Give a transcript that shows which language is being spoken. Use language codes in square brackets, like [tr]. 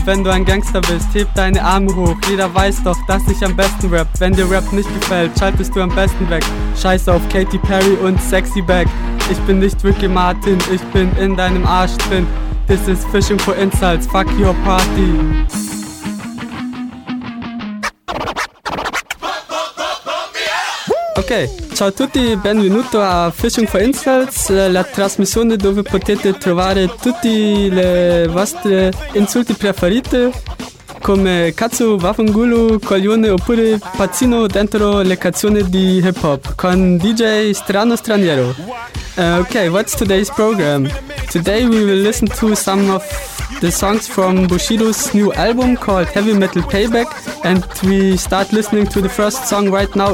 [de] Wenn du ein Gangster bist, heb deine Arme hoch. Jeder weiß doch, dass ich am besten rap. Wenn dir Rap nicht gefällt, schaltest du am besten weg. Scheiß auf Katy Perry und Sexy Back. Ich bin nicht Ricky Martin, ich bin in deinem Arsch drin. [en] This is Fishing for Insults, fuck your party. [it] Ok, ciao a tutti, benvenuto a Fishing for Insults, la trasmissione dove potete trovare tutti le vostre insulti preferite, come cazzo, vaffangulo, coglione oppure pazzino dentro le canzoni di hip hop con DJ Strano Straniero. [en] Ok, what's today's program? Today we will listen to some of the songs from Bushido's new album called Heavy Metal Payback, and we start listening to the first song right now.